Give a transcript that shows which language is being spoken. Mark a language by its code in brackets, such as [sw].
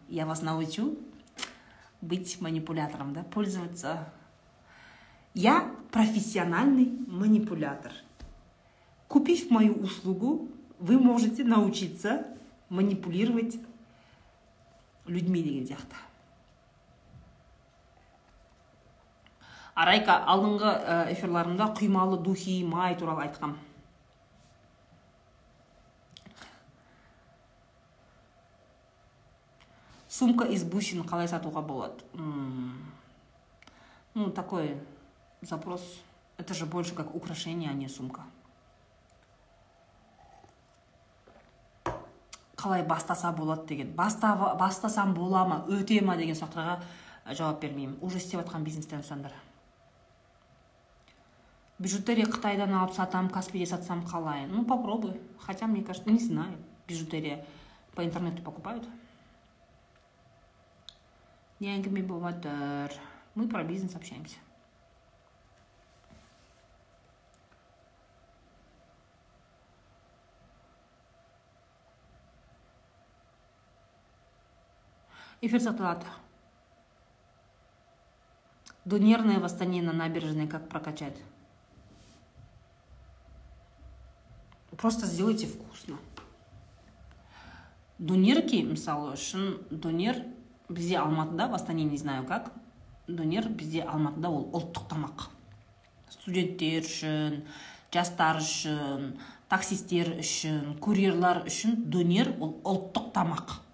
[ru] Я вас научу быть манипулятором, да, пользоваться. Я профессиональный манипулятор. Купив мою услугу, вы можете научиться манипулировать людьми [kk] деген сияқты. Арайка, алдыңғы эфирларымда құймалы духи май туралы айтқам. [ru] Сумка из бусин, [kk] қалай сатуға болады? [ru] Ну, такой запрос. Это же больше как украшение, а не сумка. [kk] Қалай бастаса болады деген? Бастасам бола ма, өте ма деген сұрақтарға жауап бермеймін. Уже істеп атқан бизнестен сандар. Бижутерия Қытайдан алып сатам, Каспиде сатсам қалай? [ru] Ну, попробуй. Хотя, мне кажется, не знаю. Бижутерия по интернету покупают. [kk] Не әңгіме болатыр. [ru] Мы про бизнес общаемся. [kk] Эфир сатылады. [ru] Донерное восстание на набережной, как прокачать? Просто сделайте вкусно. [kk] Донерки, мысалы үшін, донер... Бізде Алматыда, [ru] в Астане не знаю как, [kk] донер бізде Алматыда ол ұлттық тамақ. Студенттер үшін, жастар үшін, таксистер үшін, курьерлар үшін донер ол ұлттық тамақ.